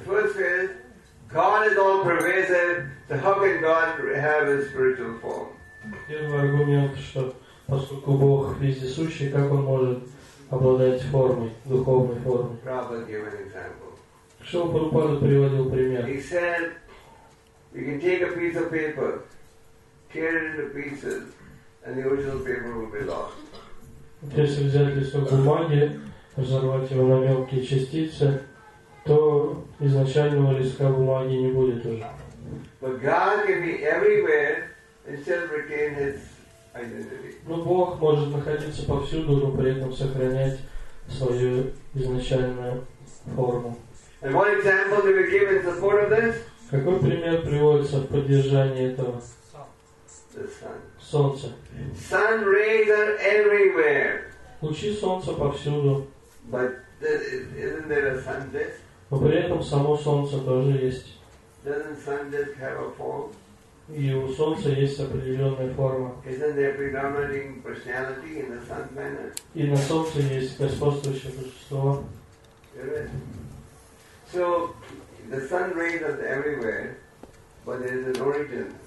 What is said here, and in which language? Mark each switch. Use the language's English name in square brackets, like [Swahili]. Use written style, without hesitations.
[English] First is, God is all pervasive, so how can God have a spiritual form? [Russian] Первый аргумент, что поскольку Бог вездесущий, как он может обладать формой, духовной формой? [English] Prabhupada gave an example. [Russian] Шрила Прабхупада приводил пример. [English] He said, you can take a piece of paper, tear it into pieces, and the original paper will be lost. [Russian] Если взять листок бумаги, разорвать его на мелкие частицы, то изначального листка бумаги не будет уже. [English] But God can be everywhere and still retain his identity. [Russian] Но Бог может находиться повсюду, но при этом сохранять свою изначальную форму. [English] And what example did we give in support of this? [Russian] Какой пример приводится в поддержание этого? Солнце. [English] Sun rays are everywhere. [Russian] Лучи солнца повсюду. [English] But isn't there a sun disk? [Russian] Но при этом само солнце тоже есть. [English] Doesn't sun disk have a form? [Russian] И у солнца есть определенная форма. [English] Isn't there predominating personality in the sun manner? [Russian] И на солнце есть господствующее существо. [English] So the sun rays are everywhere, but there is an origin.